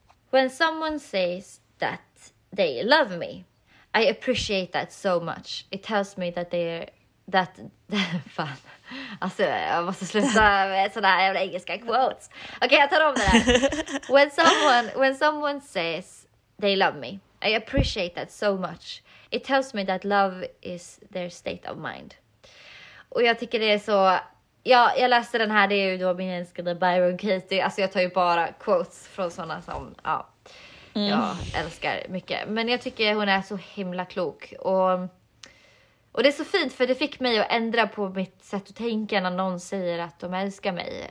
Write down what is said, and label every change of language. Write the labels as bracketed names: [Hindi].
[English] When someone says that they love me, I appreciate that so much. It tells me that fan. [Swedish] Alltså, jag måste sluta med sådana här jävla engelska quotes. Okej, jag tar om det där. [English] When someone says they love me, I appreciate that so much. It tells me that love is their state of mind. [Swedish] Och jag tycker det är så... Ja, jag läste den här, det är ju då min älskade Byron Katie. Alltså jag tar ju bara quotes från såna som jag älskar mycket. Men jag tycker hon är så himla klok. Och det är så fint för det fick mig att ändra på mitt sätt att tänka när någon säger att de älskar mig.